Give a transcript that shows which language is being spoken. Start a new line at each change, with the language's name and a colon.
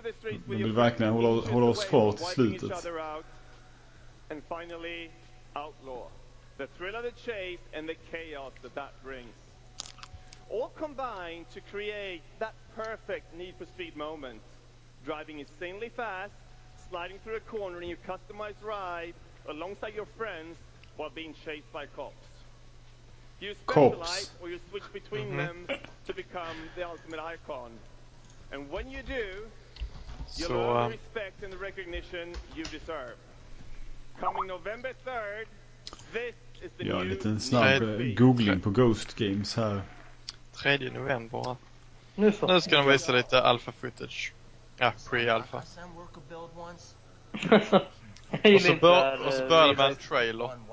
Swedish: De vill verkligen hålla oss kvar till slutet.
English: And finally, Outlaw. The thrill of the chase and the chaos that that brings. All combined to create that perfect Need for Speed moment. Driving insanely fast, sliding through a corner in your customized ride alongside your friends while being chased by cops. You specialize or you switch between them to become the ultimate icon. And when you do, so, you'll earn the respect and the recognition you deserve. Coming November 3rd, this is the new
Swedish: liten snabb googling på Ghost Games här. 3 november. Nu ska de visa lite alpha footage. Ja, pre-alpha. Och så börjar man trailer.